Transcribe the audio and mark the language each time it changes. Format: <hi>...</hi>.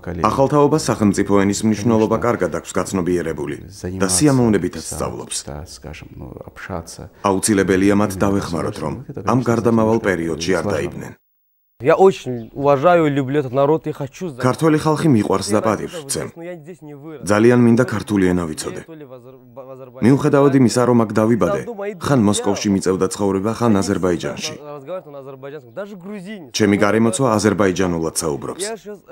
<ka>ახალ თაობას სახელმწიფო ენის მნიშვნელობა კარგად აქვს გაცნობიერებული და სიამოვნებითაც სწავლობს. აუცილებელია მათ დავეხმაროთ, რომ ამ გარდამავალ პერიოდში არ დაიბნენ.</ka> <ru>Я очень уважаю и люблю этот народ и хочу за</ru> <ka>ქართველი ხალხი მიყვარს და პატივს ვცემ. ძალიან მინდა ქართული ენა ვიცოდე. მიუხედავად იმისა, რომ აქ დავიბადე, ხან მოსკოვში მიწევდა ცხოვრება, ხან აზერბაიჯანში. ჩემი გარემოცვა აზერბაიჯანულად საუბრობს.</ka>